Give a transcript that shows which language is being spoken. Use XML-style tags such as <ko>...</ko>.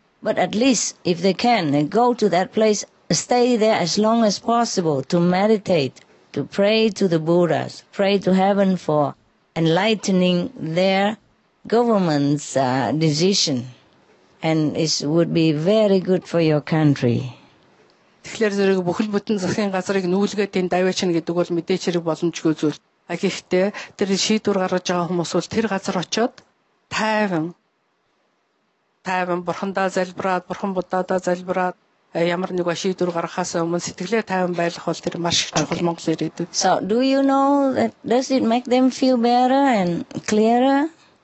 <en>But at least if they can, they go to that place, stay there as long as possible to meditate, to pray to the Buddhas, pray to heaven for enlightening their government's decision. And it would be very good for your country.</en> <mn>Тэгэхээр зэрэг бүхэл бүтэн захын газрыг нүүлгээд тэнд давчихна гэдэг бол мэдээч хэрэг боломжгүй зүйл. А гэхдээ тэр шийдвэр гаргаж байгаа хүмүүс бол тэр газар очоод тайван бурхандаа залбираад, бурхан Буддаадаа залбираад ямар нэгэн шийдвэр гаргахаас өмнө сэтгэлээ тайван байлгах бол тэр маш их чухал Монгол ирээдүйд.</mn> <en>So, do you know that does it make them feel better and clearer?</en>